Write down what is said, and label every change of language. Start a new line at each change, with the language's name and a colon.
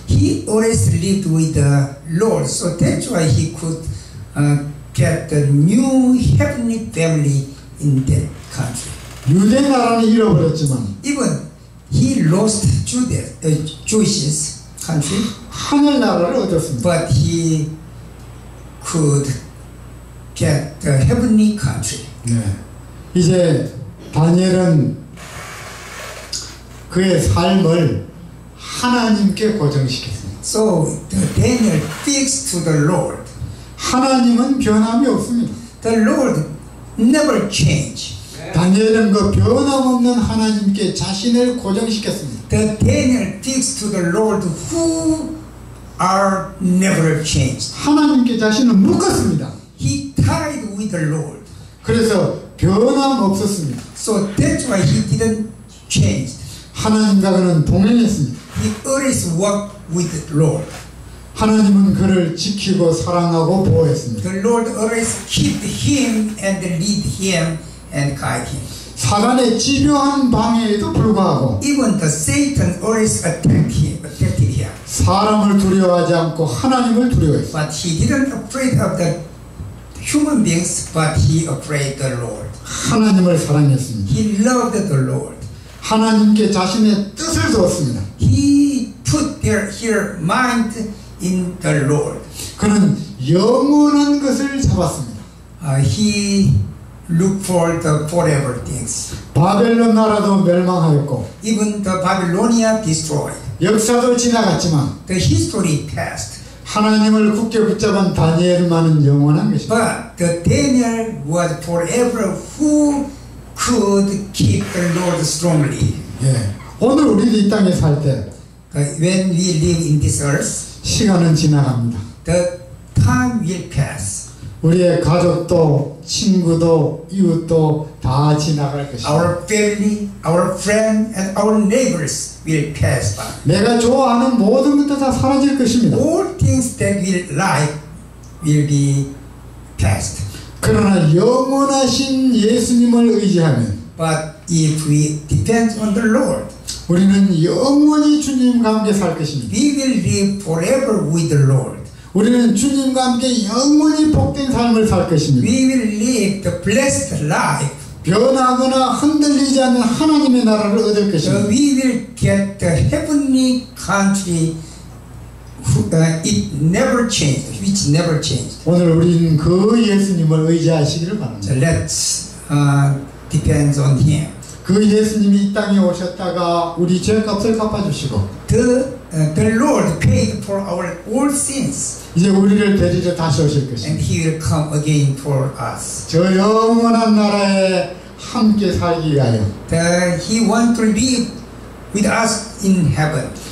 English: He always lived with the Lord, so that's why he could get the new heavenly family in that country.
Korean: 유대 나라는 잃어버렸지만,
English: even he lost Judea, Jewish's country.
Korean: 하늘 나라를 얻었습니다.
English: But he could get the heavenly country.
Korean: 네. 이제 다니엘은 그의 삶을 하나님께 고정시켰습니다.
English: So the Daniel fixed to the Lord.
Korean: 하나님은 변함이 없습니다.
English: The Lord never change.
Korean: 다니엘은 그 변함없는 하나님께 자신을 고정시켰습니다.
English: The Daniel fixed to the Lord who are never changed.
Korean: 하나님께 자신을 묶었습니다.
English: He tied with the Lord.
Korean: 그래서 변함없었습니다.
English: So that's why he didn't change.
Korean: 하나님과 그는 동행했습니다.
English: He always walked with the Lord.
Korean: 하나님은 그를 지키고 사랑하고 보호했습니다.
English: The Lord always kept him and lead him and guide him.
Korean: 사단의 집요한 방해에도 불구하고,
English: even the Satan always attacked him.
Korean: 사람을 두려워하지 않고 하나님을 두려워했습니다.
English: But he didn't afraid of the human beings, but he afraid the Lord.
Korean: 하나님을 사랑했습니다.
English: He loved the Lord.
Korean: 하나님께 자신의 뜻을 두었습니다.
English: He put their her mind in the Lord.
Korean: 그는 영원한 것을 잡았습니다.
English: He look for the forever things.
Korean: 바벨론 나라도 멸망하였고,
English: even the Babylonia destroyed.
Korean: 역사도 지나갔지만,
English: the history passed.
Korean: 하나님을 굳게 붙잡은 다니엘만은 영원한 것입니다.
English: But the Daniel was forever who could keep the Lord strongly.
Korean: 예, 오늘 우리 이 땅에 살 때,
English: when we live in this earth,
Korean: 시간은 지나갑니다.
English: The time will pass.
Korean: 우리의 가족도 친구도 이웃도 다 지나갈 것이다.
English: Our family, our friend and our neighbors will pass by.
Korean: 내가 좋아하는 모든 것도 다 사라질 것입니다.
English: All things that we like will be passed.
Korean: 그러나 영원하신 예수님을 의지하면,
English: but if we depend on the Lord,
Korean: 우리는 영원히 주님과 함께 살 것입니다.
English: We will live forever with the Lord.
Korean: 우리는 주님과 함께 영원히 복된 삶을 살 것입니다.
English: We will live the blessed life.
Korean: 변하거나 흔들리지 않는 하나님의 나라를 얻을 것입니다.
English: We will get the heavenly country. It never changed. Which never changed.
Korean: 오늘 우리는 그 예수님을 의지하시기를 바랍니다.
English: So let's depend on Him.
Korean: 그 예수님이 이 땅에 오셨다가 우리 죄값을 갚아주시고,
English: The Lord paid for our all sins.
Korean: 이제 우리를 데리러 다시 오실 것이.
English: And He will come again for us.
Korean: 저 영원한 나라에 함께 살기 위하여.
English: That He wants to live with us in heaven.